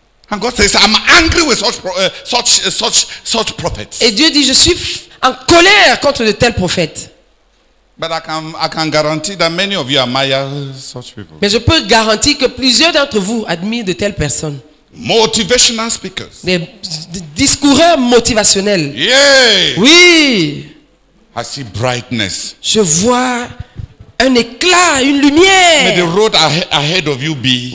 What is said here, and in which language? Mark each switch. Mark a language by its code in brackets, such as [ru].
[en] And God says, I'm angry with such prophets. [fr] Et Dieu dit, je suis en colère contre de tels prophètes. [en] But I can guarantee that many of you admire such people. [fr] Mais je peux garantir que plusieurs d'entre vous admirent de telles personnes. [en] Motivational speakers. [fr] Des discoureurs motivationnels. [en] Yeah. [fr] Oui. [en] I see brightness. [fr] Je vois un éclat, une lumière. [en] May the road ahead of you be.